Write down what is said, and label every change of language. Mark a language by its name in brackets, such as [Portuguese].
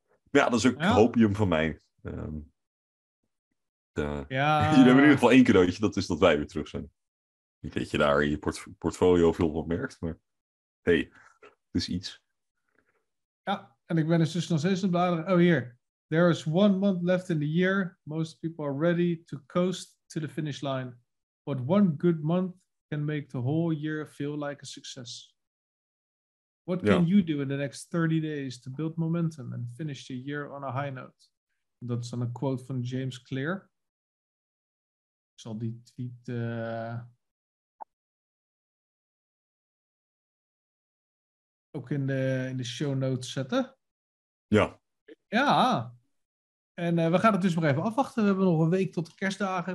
[Dutch] Maar ja, dat is ook hopium van mij. Jullie hebben in ieder geval één cadeautje, dat is dat wij weer terug zijn. Niet dat je daar in je portfolio veel van merkt, maar hey, het is iets. Ja, en ik ben dus nog steeds aan het bladeren. Oh, hier. [English] There is 1 month left in the year. Most people are ready to coast to the finish line. But 1 good month can make the whole year feel like a success. What can you do in the next 30 days to build momentum and finish the year on a high note? [Dutch] Dat is dan een quote van James Clear. Ik zal die tweet ook in de show notes zetten. Ja. Ja. En we gaan het dus maar even afwachten. We hebben nog een week tot de kerstdagen.